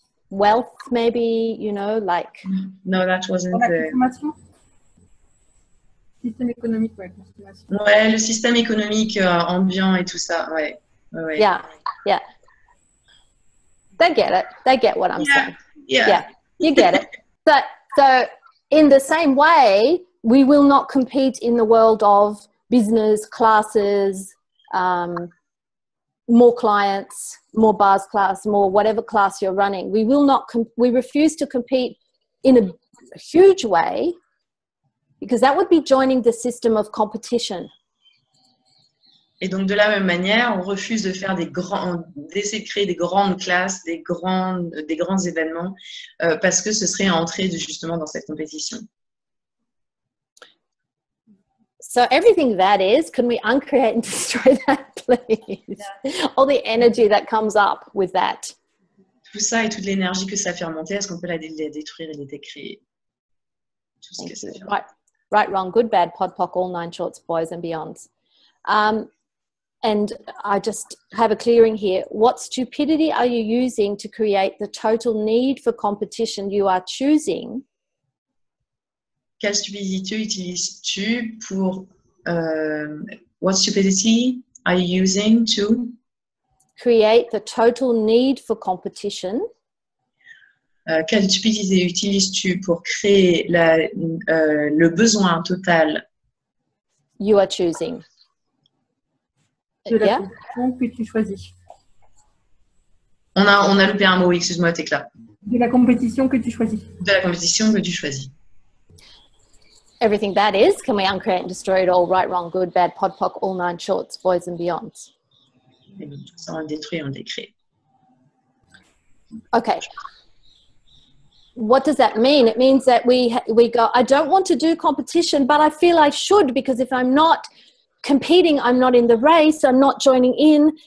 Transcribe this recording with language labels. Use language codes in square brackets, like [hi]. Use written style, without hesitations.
[en] Wealth, maybe, you know, like... No, that wasn't the... [fr] Système économique, ouais. Ouais, le système économique ambiant et tout ça, ouais. Ouais. [en] Yeah, yeah. They get it. They get what I'm saying. Yeah. You get it. But so in the same way... We will not compete in the world of business, classes, more clients, more bars class, more whatever class you're running. We will not. We refuse to compete in a huge way because that would be joining the system of competition. [fr] Et donc de la même manière, on refuse de faire d'essayer de créer des grandes classes, des grands événements parce que ce serait entrer justement dans cette compétition. [en] So everything that is, can we uncreate and destroy that, please? Yeah. All the energy that comes up with that. [fr] Tout ça et toute l'énergie que ça fait remonter, est-ce qu'on peut la détruire et la décréer? [en] Right, wrong, good, bad, podpoc, all nine shorts, boys and beyonds. And I just have a clearing here. What stupidity are you using to create the total need for competition you are choosing? [fr] Quelle stupidité utilises-tu pour... [en] what stupidity are you using to... create the total need for competition? [fr] Quelle stupidité utilises-tu pour créer la, le besoin total? [en] You are choosing. [fr] De la compétition que tu choisis. On a loupé un mot, excuse-moi, Tecla. De la compétition que tu choisis. De la compétition que tu choisis. [en] Everything that is, can we uncreate and destroy it all, right, wrong, good, bad, podpoc, all nine shorts, boys and beyonds. [fr] Tout ça, on le détruit, on le décrit. [en] Okay. What does that mean? It means that we go, I don't want to do competition, but I feel I should, because if I'm not competing, I'm not in the race, I'm not joining in.